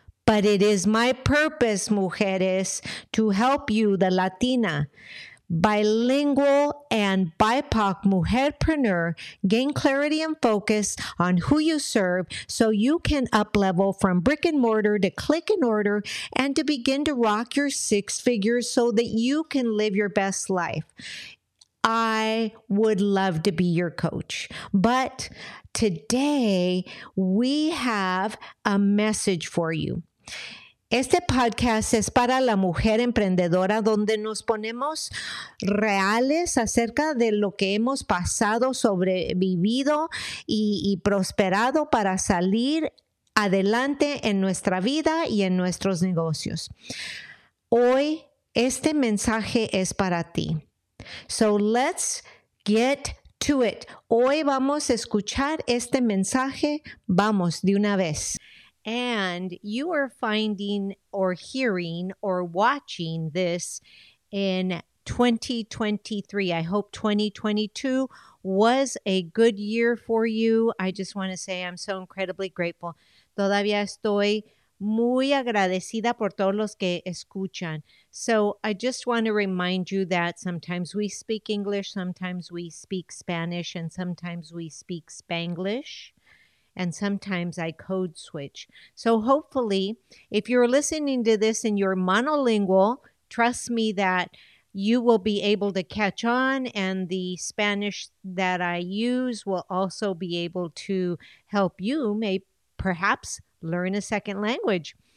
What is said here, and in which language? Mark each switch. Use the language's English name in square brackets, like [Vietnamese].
[English] But it is my purpose, mujeres, to help you, the Latina, bilingual and BIPOC mujerpreneur, gain clarity and focus on who you serve so you can up-level from brick and mortar to click and order and to begin to rock your six figures so that you can live your best life. I would love to be your coach. But today, we have a message for you. [Spanish] Este podcast es para la mujer emprendedora donde nos ponemos reales acerca de lo que hemos pasado, sobrevivido y prosperado para salir adelante en nuestra vida y en nuestros negocios. Hoy este mensaje es para ti. [English] So let's get to it. [Spanish] Hoy vamos a escuchar este mensaje. Vamos de una vez. [English] And you are finding or hearing or watching this in 2023. I hope 2022 was a good year for you. I just want to say I'm so incredibly grateful. [Spanish] Todavía estoy muy agradecida por todos los que escuchan. [English] So I just want to remind you that sometimes we speak English, sometimes we speak Spanish, and sometimes we speak Spanglish. And sometimes I code switch. So hopefully, if you're listening to this and you're monolingual, trust me that you will be able to catch on and the Spanish that I use will also be able to help you may perhaps learn a second language.